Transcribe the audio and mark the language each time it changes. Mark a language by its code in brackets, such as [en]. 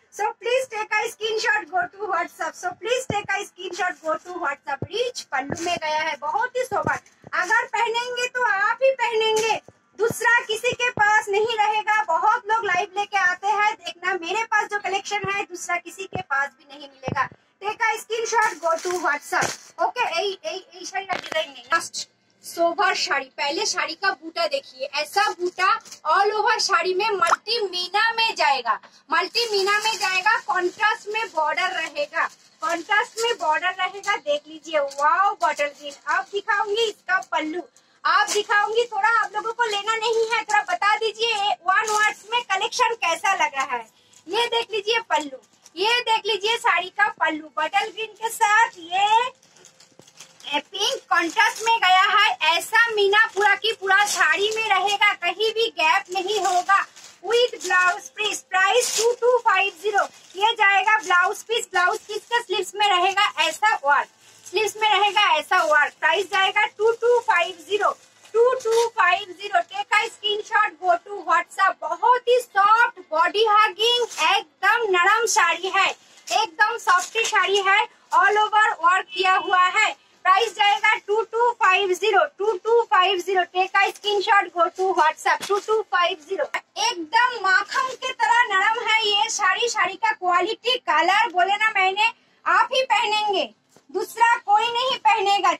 [en] So please take a screenshot, go to WhatsApp, so please take a screenshot, go to WhatsApp. [hi] Reach पल्लू में गया है, बहुत ही sober, अगर पहनेंगे तो आप ही पहनेंगे, दूसरा किसी के पास नहीं रहेगा। बहुत लोग लाइव लेके आते हैं, देखना मेरे पास जो कलेक्शन है दूसरा किसी के पास भी नहीं मिलेगा। [en] Take a screenshot, go to WhatsApp. [hi] Okay sari का डिजाइन नहीं, लास्ट सोवर साड़ी, पहले साड़ी का बूटा देखिए, ऐसा बूटा ऑल ओवर साड़ी में मल्टी मीना में जाएगा, मल्टी मीना में जाएगा, कॉन्ट्रास्ट में बॉर्डर रहेगा, कॉन्ट्रास्ट में बॉर्डर रहेगा। देख लीजिए वाओ बॉटल ग्रीन, अब दिखाऊंगी इसका पल्लू, आप दिखाऊंगी, थोड़ा आप लोगों को लेना नहीं है, थोड़ा बता दीजिए वन वर्ड्स में कलेक्शन कैसा लग रहा है। ये देख लीजिए पल्लू, ये देख लीजिए साड़ी का पल्लू बॉटल ग्रीन के साथ, ये पिंक कॉन्ट्रास्ट में गया है, ऐसा मीना पूरा की पूरा साड़ी में रहेगा, कहीं भी गैप नहीं होगा, [en] With blouse piece. [hi] प्राइस 2250, ये जाएगा ब्लाउज पीस, ब्लाउज पीस के स्लीव्स में रहेगा ऐसा वर्क, स्लीव्स में रहेगा ऐसा वर्क। प्राइस जाएगा 2250, 2250। [en] Take a screenshot, go to WhatsApp. [hi] बहुत ही सॉफ्ट बॉडी हगिंग, एकदम नरम साड़ी है, एकदम सॉफ्टी साड़ी है, ऑल ओवर वर्क किया हुआ है। प्राइस जाएगा 2250, 2250। [en] Take a screenshot, go to WhatsApp 2250। [hi] एकदम माखन के तरह नरम है ये साड़ी, साड़ी का क्वालिटी कलर बोले ना मैंने, आप ही पहनेंगे, दूसरा कोई नहीं पहनेगा।